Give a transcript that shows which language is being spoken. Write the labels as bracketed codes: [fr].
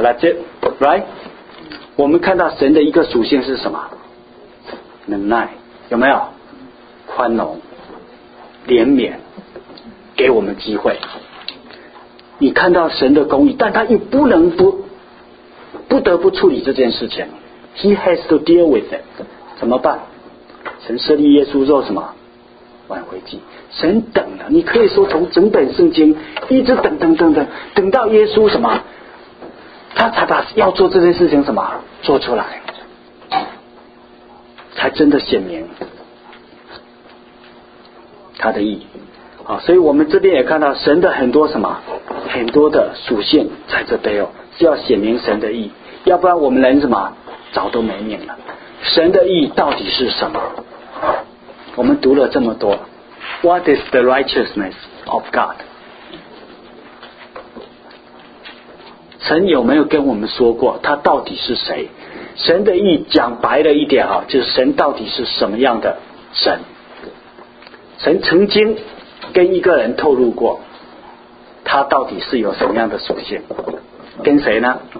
[zh] 来，这 right， 我们看到神的一个属性是什么？忍耐，有没有？宽容、怜悯，给我们机会。你看到神的公义，但他又不能不得不处理这件事情。 [en] He has to deal with it， [zh] 怎么办？神设立耶稣做什么挽回祭？神等了，你可以说从整本圣经一直等等等等，等到耶稣什么他才把要做这件事情什么做出来，才真的显明他的义啊。所以我们这边也看到神的很多什么很多的属性在这背后是要显明神的义，要不然我们人什么早都没命了。神的义到底是什么？我们读了这么多， [en] What is the righteousness of God？ [zh] 神有没有跟我们说过他到底是谁？神的义讲白了一点啊，就是神到底是什么样的神。神曾经跟一个人透露过他到底是有什么样的属性，跟谁呢？